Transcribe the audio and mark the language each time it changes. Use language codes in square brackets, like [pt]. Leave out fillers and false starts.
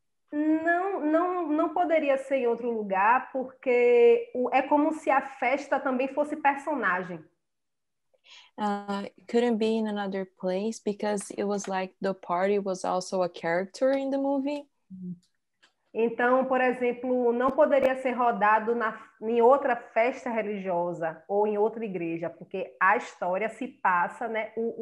[pt] Não poderia ser em outro lugar, porque é como se a festa também fosse personagem. [en] Couldn't be in another place, because it was like the party was also a character in the movie. [pt] Então, por exemplo, não poderia ser rodado em outra festa religiosa ou em outra igreja, porque a história se passa, né?